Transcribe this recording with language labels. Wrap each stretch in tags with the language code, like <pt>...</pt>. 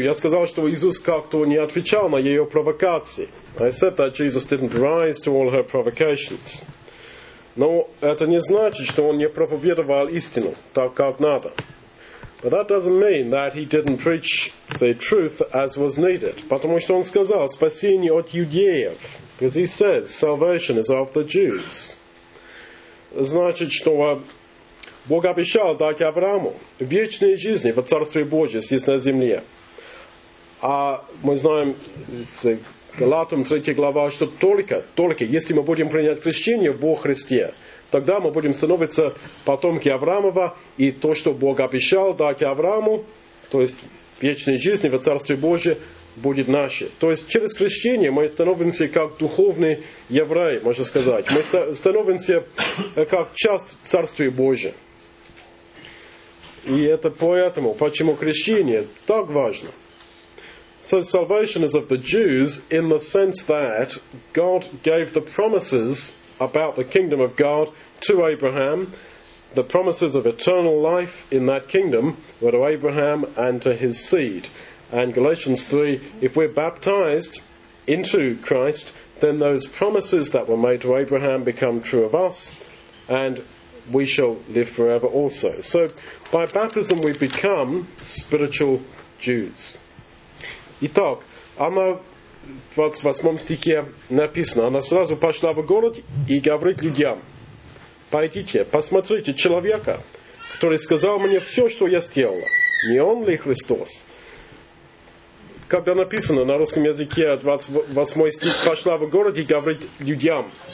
<ru>Я сказал, что Иисус как-то не отвечал на ее провокации.</ru> <en>I said that Jesus didn't rise to all her provocations.</en> <ru>Но это не значит, что он не проповедовал истину так, как надо.</ru> <en>But that doesn't mean that he didn't preach the truth as was needed.</en> <ru>Потому что он сказал спасение от иудеев.</ru> <en>Because he says salvation is of the Jews.</en> <ru>Значит, что Бог обещал дать Аврааму вечные жизни во Царстве Божьем, здесь на земле. А мы знаем с Галатам 3 глава, что только если мы будем принять крещение в Бог Христе, тогда мы будем становиться потомки Авраамова, и то, что Бог обещал дать Аврааму, то есть вечные жизни во Царстве Божьем, будет наше. То есть через крещение мы становимся как духовные евреи, можно сказать. Мы становимся как часть Царствия Божия. И это поэтому, почему крещение так важно.</ru> <en>So salvation is of the Jews in the sense that God gave the promises about the kingdom of God to Abraham, the promises of eternal life in that kingdom were to Abraham and to his seed. And Galatians 3, if we're baptized into Christ, then those promises that were made to Abraham become true of us, and we shall live forever also. So, by baptism we become spiritual Jews.</en> <ru>Итак, она в 28 стихе написано, она сразу пошла в город и говорит людям, «Пойдите, посмотрите человека, который сказал мне все, что я сделала. Не он ли Христос?» Когда написано на русском языке 28 стих, пошла в город и говорит людям.</ru>